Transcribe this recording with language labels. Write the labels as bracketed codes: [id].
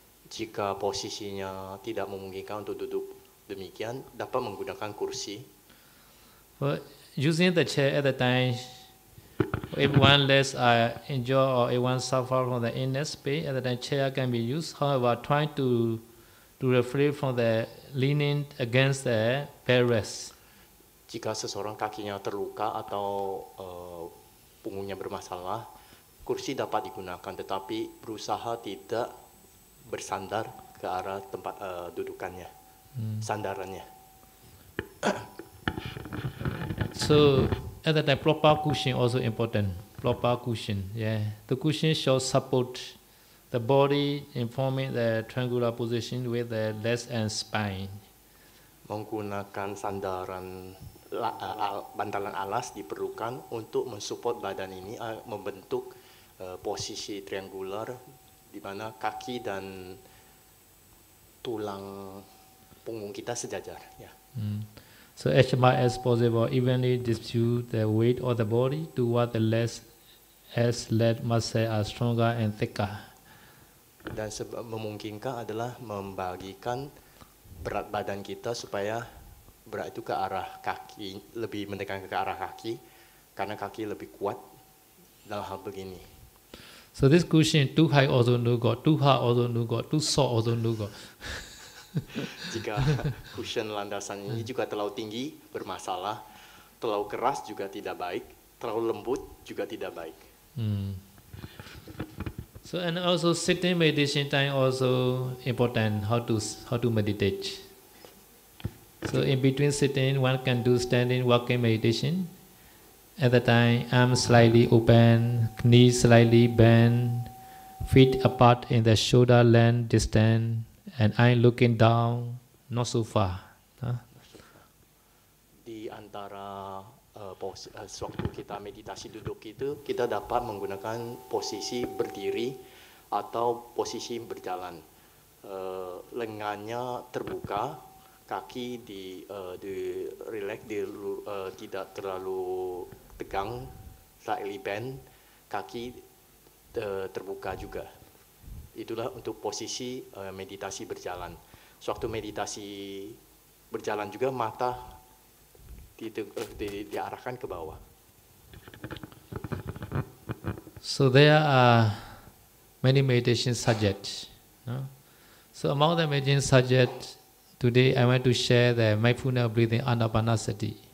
[id] Jika posisinya tidak memungkinkan untuk duduk demikian, dapat menggunakan kursi. [en] Well, using the chair at the time, if one less enjoy or if one suffer from the inner space, at the time chair can be used. However, trying to refrain from the leaning against the backrest. [id] Jika seseorang kakinya terluka atau punggungnya bermasalah, kursi dapat digunakan, tetapi berusaha tidak bersandar ke arah tempat dudukannya, sandarannya. [en] So at that time, proper cushion also important. Proper cushion, yeah. The cushion shall support the body in forming the triangular position with the legs and spine. [id] Menggunakan sandaran bantalan alas diperlukan untuk mensupport badan ini membentuk posisi triangular, di mana kaki dan tulang punggung kita sejajar. [en] So as much as possible, evenly distribute the weight of the body toward the legs, as legs muscles are stronger and thicker. [id] Dan memungkinkan adalah membagikan berat badan kita supaya berat itu ke arah kaki, lebih mendekat ke arah kaki, karena kaki lebih kuat dalam hal begini. [en] So this cushion too high also no good, too hard also no good, too soft also no good. [id] Jika cushion landasan ini juga terlalu tinggi, bermasalah. Terlalu keras juga tidak baik. Terlalu lembut juga tidak baik. [en] So and also sitting meditation time also important, how to meditate. So in between sitting, one can do standing walking meditation. At the time, arms slightly open, knees slightly bent, feet apart in the shoulder length distance, and eye looking down, not so far. [id] Di antara waktu kita meditasi duduk itu, kita dapat menggunakan posisi berdiri atau posisi berjalan. Lengannya terbuka, kaki di relax, tidak terlalu tegang, [en] slightly bent, [id] kaki terbuka juga. Itulah untuk posisi meditasi berjalan. Sewaktu meditasi berjalan juga mata diarahkan ke bawah. [en] So there are many meditation subjects. No? So among the meditation subjects, today I want to share the mindfulness breathing Anapanasati.